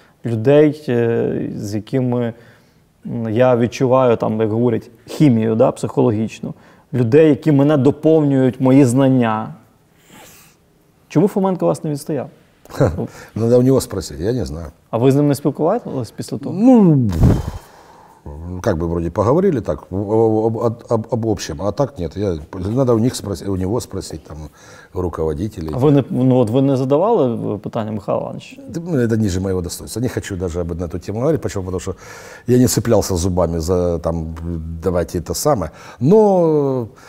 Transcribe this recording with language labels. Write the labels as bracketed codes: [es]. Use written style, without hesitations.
[uk] Людей, з якими я відчуваю, там, як говорять, хімію, да, психологічну. Людей, які мене доповнюють, мої знання. Чому Фоменко вас не відстояв? [ru] Надо у нього спросити, я не знаю. [uk] А ви з ним не спілкувалися після того? [ru] Ну, как бы вроде поговорили так, об общем, а так нет, надо у них спросить, у него спросить, там, руководителей. А вы не, [uk] ну, от вы не задавали питання Михайло Іванович? [ru] Это ниже моего достоинства, не хочу даже об эту тему говорить, почему? Потому что я не цеплялся зубами за, там, давайте это самое, но...